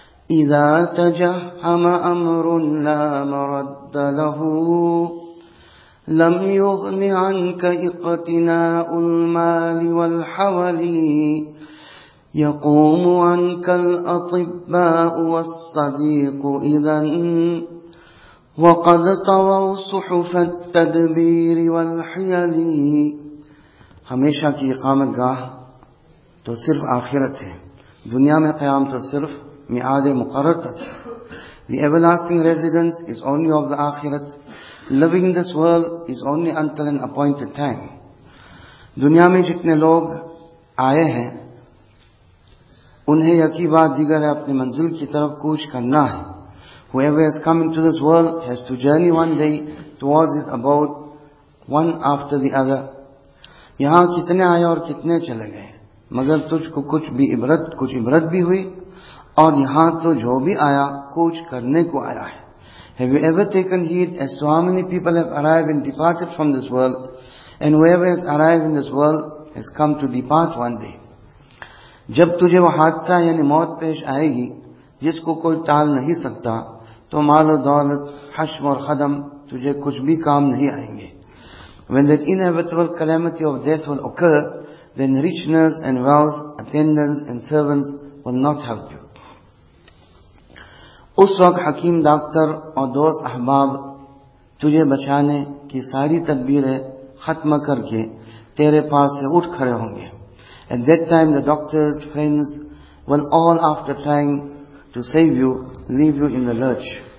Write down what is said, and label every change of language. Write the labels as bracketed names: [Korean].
[Arabic] إذا تجهم أمر لا مرد له لم يغن عنك اقتناء المال والحول يقوم عنك الأطباء والصديق إذا وقد طووا صحف التدبير والحيل. [Urdu] ہمیشہ کی اقامت گاہ تو صرف آخرت ہے, دنیا میں قیام تو صرف میعاد مقرر تک. [English] The everlasting residence is only of the آخرت. Living this world is only until an appointed time. [Urdu] دنیا میں جتنے لوگ آئے ہیں انہیں یکی بات دیگر ہے اپنی منزل کی طرف کوچ کرنا ہے. [English] Whoever has come into this world has to journey one day towards his abode, one after the other. [Urdu] یہاں کتنے آئے اور کتنے چلے گئے مگر تجھ کو کچھ عبرت بھی ہوئی, اور یہاں تو جو بھی آیا کچھ کرنے کو آیا ہے. [English] Have you ever taken heed as to how many people have arrived and departed from this world, and whoever has arrived in this world has come to depart one day. [Urdu] جب تجھے وہ حادثہ یعنی موت پیش آئے گی جس کو کوئی ٹال نہیں سکتا, تو مال و دولت, حشم اور خدم تجھے کچھ بھی کام نہیں آئیں گے. [English] When that inevitable calamity of death will occur, then richness and wealth, attendants and servants will not help you. [Urdu] اس وقت حکیم ڈاکٹر اور دوست احباب تجھے بچانے کی ساری تدبیریں ختم کر کے تیرے پاس سے اٹھ کھڑے ہوں گے. [English] At that time the doctors, friends will all after trying to save you, leave you in the lurch.